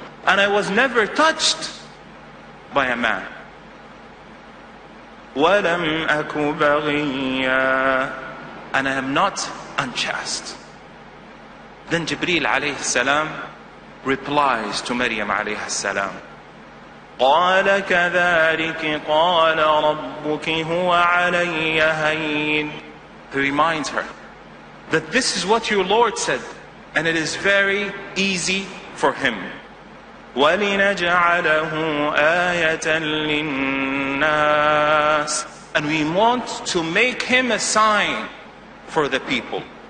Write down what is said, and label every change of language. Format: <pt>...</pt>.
<en>And I was never touched by a man.</en> <ar>ولم أك بغيا.</ar> <en>And I am not unchaste. Then Jibreel عليه السلام replies to Maryam عليه السلام.</en> <ar>قال كذلك قال ربك هو علي هين.</ar> <en>He reminds her that this is what your Lord said, and it is very easy for him.</en> <ar>وَلِنَجْعَلَهُ آيَةً لِلنَّاسِ.</ar> <en>And we want to make him a sign for the people.</en>